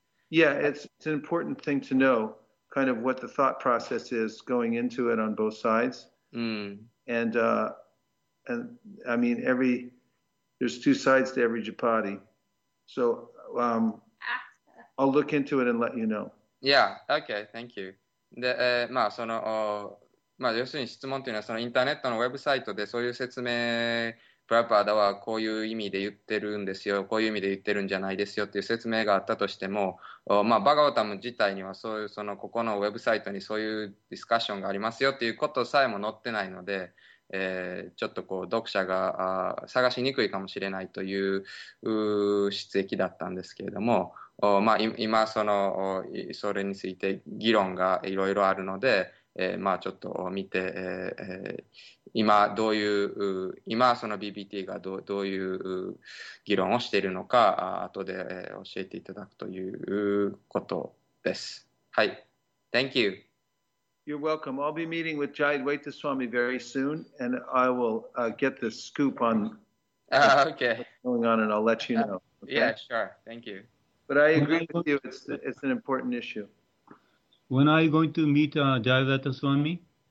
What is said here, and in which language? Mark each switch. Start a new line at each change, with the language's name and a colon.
English: Yeah, it's an important thing to know kind of what the thought process is going into it on both sides. And I mean, there's two sides to every japati. So I'll look into it and let you know. Yeah, okay, thank you.
Japanese: で、まあ、その、まあ、要するに質問というのは、そのインターネットのウェブサイトでそういう説明、プラパーダはこういう意味で言ってるんですよ、こういう意味で言ってるんじゃないですよっていう説明があったとしても、まあ、バガヴァタム自体にはそういう、その、ここのウェブサイトにそういうディスカッションがありますよっていうことさえも載ってないので、ちょっとこう読者が探しにくいかもしれないという質疑だったんですけれども、まあ、今それについて議論がいろいろあるので、まあ、ちょっと見て、今どういう今その BBT がどういう議論をしているのか後で教えていただくということです。
English: はい、 Thank you You're welcome. I'll be meeting with Jayadvaita Swami very soon, and I will get the scoop on what's going on, and I'll let you know. Okay? Yeah, sure. Thank you. But I agree with you. It's an important issue. When are you going to meet Jayadvaita Swami?